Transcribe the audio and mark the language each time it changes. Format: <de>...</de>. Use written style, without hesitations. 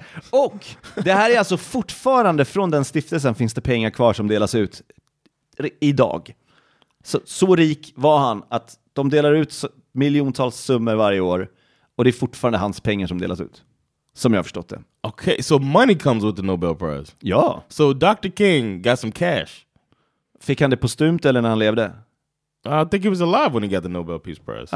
<sv>Och det här är alltså fortfarande från den stiftelsen finns det pengar kvar som delas ut idag. Så rik var han att de delar ut miljontals summor varje år och det är fortfarande hans pengar som delas ut. Som jag har förstått det.</sv> <en>Okay, so money comes with the Nobel Prize.</en> <sv>Ja.</sv> <en>So Dr. King got some cash.</en> <sv>Fick han det postumt eller när han levde?</sv> <en>I think he was alive when he got the Nobel Peace Prize.</en>